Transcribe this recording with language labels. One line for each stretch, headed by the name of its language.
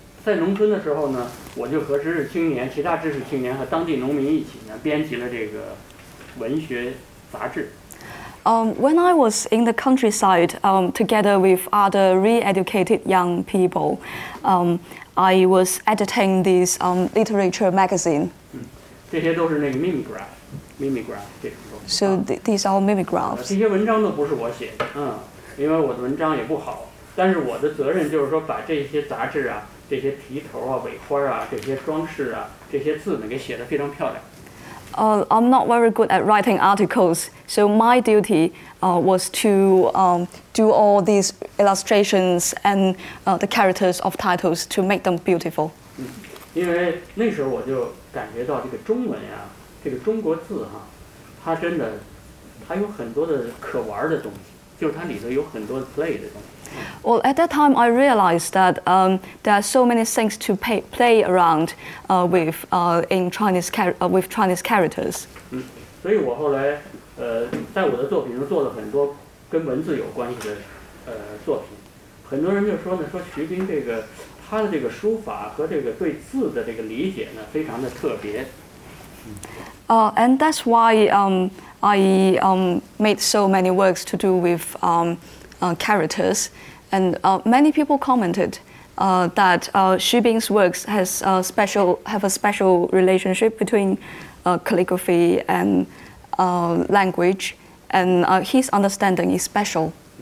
Chinese: 在农村的时候呢，我就和知识青年、其他知识青年和当地农民一起呢，编辑了这个文学杂志。
English: When I was in the countryside, together with other re-educated young people, I was editing this literature magazine.
Chinese: 这些都是那个 mimeograph 这种东西。
English: So these are mimeographs.
Chinese: 这些文章都不是我写的，因为我的文章也不好。但是我的责任就是说，把这些杂志啊、这些题头啊、尾花啊、这些装饰啊、这些字呢，给写得非常漂亮。
English: I'm not very good at writing articles, so my duty was to do all these illustrations and the characters of titles to make them beautiful.
Chinese: 因为那时候我就感觉到这个中文呀、这个中国字哈、它真的它有很多的可玩的东西，就是它里头有很多 play 的东西。
English: Well, at that time, I realized that there are so many things to play around with in Chinese with Chinese characters.
Chinese: 所以我后来在我的作品中做了很多跟文字有关系的作品。很多人就说呢，说徐冰这个他的这个书法和这个对字的这个理解呢，非常的特别。
English: And that's why I made so many works to do with characters, and many people commented that Xu Bing's works have a special relationship between calligraphy and language, and his understanding is special.